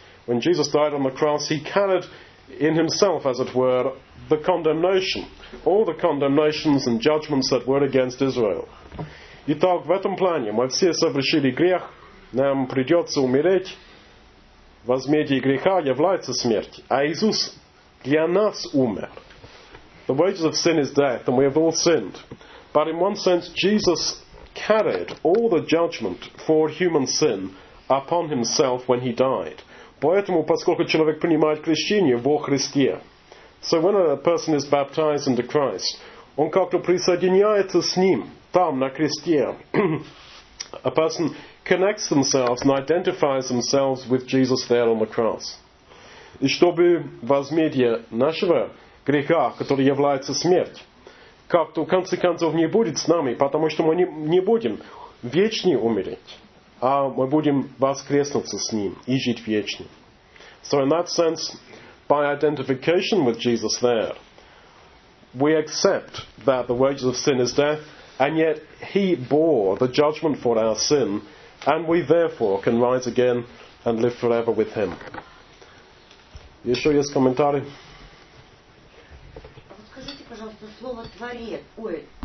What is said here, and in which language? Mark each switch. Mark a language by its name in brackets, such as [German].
[English] When Jesus died on the cross, he carried in himself, as it were, the condemnation, all the condemnations and judgments that were against Israel. [Russian] Итак, в этом плане мы все совершили грех, нам придется умереть. Возмездие греха является смерть, а Иисус для нас умер. [English] The wages of sin is death, and we have all sinned. But in one sense, Jesus carried all the judgment for human sin upon himself when he died. [Russian] Поэтому, поскольку человек принимает крещение во Христе, [English] so when a person is baptized into Christ, [Russian] он как-то присоединяется с ним там, на кресте. [English] A person connects themselves and identifies themselves with Jesus there on the cross. [Russian] И чтобы возмездие нашего греха, который является смерть, как-то в конце концов не будет с нами, потому что мы не будем вечно умереть, а мы будем воскреснуться с Ним и жить вечно. [English] So in that sense, by identification with Jesus there, we accept that the wages of sin is death, and yet He bore the judgment for our sin, and we therefore can rise again and live forever with Him. [Russian] Еще есть комментарий? Пожалуйста, слово творец. Ой.